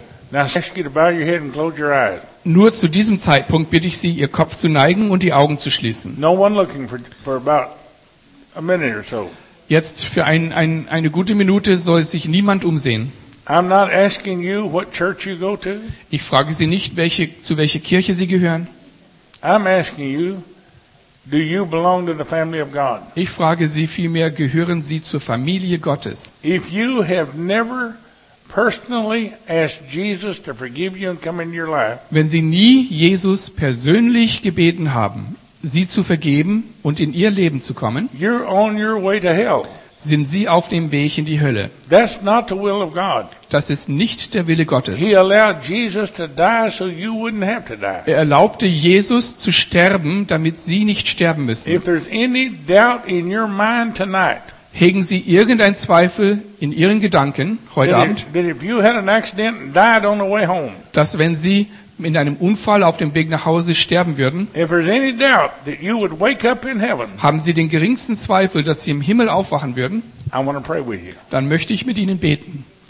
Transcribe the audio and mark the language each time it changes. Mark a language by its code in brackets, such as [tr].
[en] Now I ask you to bow your head and close your eyes. [de] Nur zu diesem Zeitpunkt bitte ich Sie, Ihr Kopf zu neigen und die Augen zu schließen. [en] No one looking for about a minute or so. [de] Jetzt für eine gute Minute soll sich niemand umsehen. [en] I'm not asking you what church you go to. [de] Ich frage Sie nicht, zu welcher Kirche Sie gehören. [en] I'm asking you, do you belong to the family of God? [de] Ich frage Sie vielmehr, gehören Sie zur Familie Gottes? [en] If you have never personally asked Jesus to forgive you and come into your life. [de] Wenn Sie nie Jesus persönlich gebeten haben, sie zu vergeben und in ihr Leben zu kommen, [en] you're on your way to hell. [de] Sind sie auf dem Weg in die Hölle. [en] That's not the will of God. [de] Das ist nicht der Wille Gottes. [en] He allowed Jesus to die, so you wouldn't have to die. [de] Er erlaubte Jesus zu sterben, damit sie nicht sterben müssen. [en] If there's any doubt in your mind tonight, [de] hegen Sie irgendeinen Zweifel in Ihren Gedanken heute Abend, dass wenn Sie in einem Unfall auf dem Weg nach Hause sterben würden, haben Sie den geringsten Zweifel, dass Sie im Himmel aufwachen würden, dann möchte ich mit Ihnen beten.